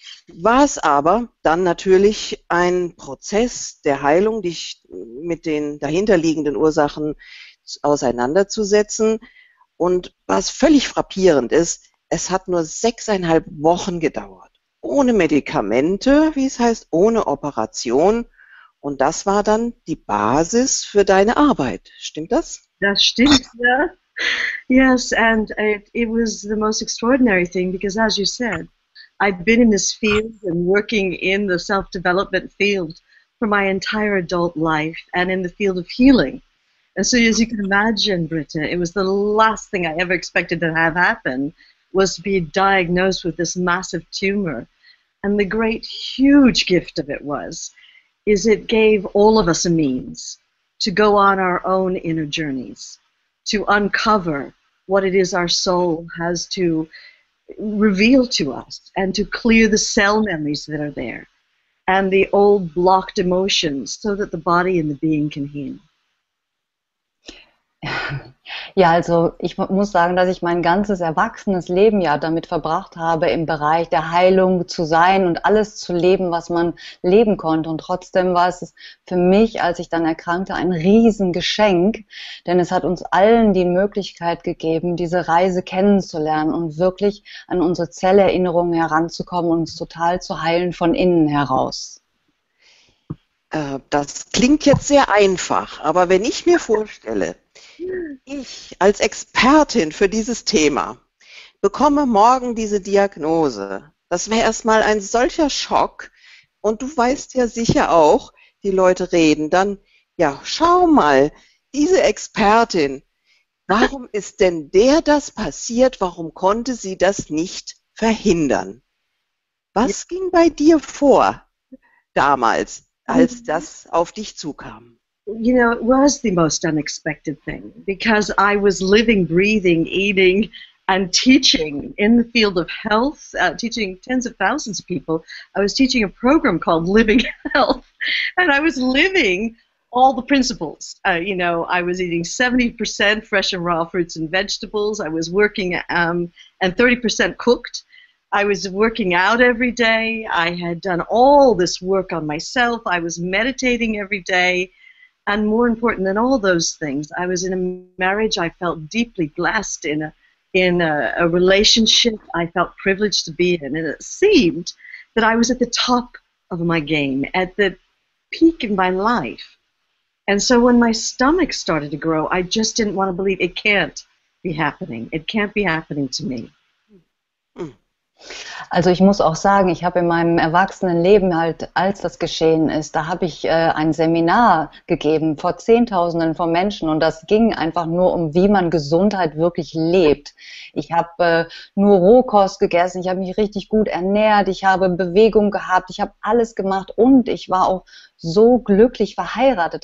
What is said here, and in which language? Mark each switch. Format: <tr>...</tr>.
<de>War es aber dann natürlich ein Prozess der Heilung, dich mit den dahinterliegenden Ursachen auseinanderzusetzen. Und was völlig frappierend ist, es hat nur 6,5 Wochen gedauert. Ohne Medikamente, wie es heißt, ohne Operation. Und das war dann die Basis für deine Arbeit. Stimmt das? Das stimmt, ja.</de> <en>Yes, and it was the most extraordinary thing because, as you said, I've been in this field and working in the self-development field for my entire adult life and in the field of healing. And so, as you can imagine, Britta, it was the last thing I ever expected to have happen was to be diagnosed with this massive tumor. And the great, huge gift of it was, is it gave all of us a means to go on our own inner journeys, to uncover what it is our soul has to reveal to us and to clear the cell memories that are there and the old blocked emotions so that the body and the being can heal.</en> <de>Ja, also ich muss sagen, dass ich mein ganzes erwachsenes Leben ja damit verbracht habe, im Bereich der Heilung zu sein und alles zu leben, was man leben konnte. Und trotzdem war es für mich, als ich dann erkrankte, ein Riesengeschenk, denn es hat uns allen die Möglichkeit gegeben, diese Reise kennenzulernen und wirklich an unsere Zellerinnerungen heranzukommen und uns total zu heilen von innen heraus. Das klingt jetzt sehr einfach, aber wenn ich mir vorstelle, ich als Expertin für dieses Thema bekomme morgen diese Diagnose, das wäre erstmal ein solcher Schock und du weißt ja sicher auch, die Leute reden dann, ja, schau mal, diese Expertin, warum ist denn der das passiert, warum konnte sie das nicht verhindern? Was ging bei dir vor damals, als das auf dich zukam?</de> <en>you know, it was the most unexpected thing because I was living, breathing, eating, and teaching in the field of health, teaching tens of thousands of people. I was teaching a program called Living Health, and I was living all the principles. You know, I was eating 70% fresh and raw fruits and vegetables. I was working and 30% cooked. I was working out every day. I had done all this work on myself. I was meditating every day. And more important than all those things, I was in a marriage I felt deeply blessed in, a relationship I felt privileged to be in. And it seemed that I was at the top of my game, at the peak in my life. And so when my stomach started to grow, I just didn't want to believe it can't be happening. It can't be happening to me.</en> <de>Also ich muss auch sagen, ich habe in meinem erwachsenen Leben halt, als das geschehen ist, da habe ich ein Seminar gegeben vor Zehntausenden von Menschen und das ging einfach nur um, wie man Gesundheit wirklich lebt. Ich habe nur Rohkost gegessen, ich habe mich richtig gut ernährt, ich habe Bewegung gehabt, ich habe alles gemacht und ich war auch so glücklich verheiratet.</de>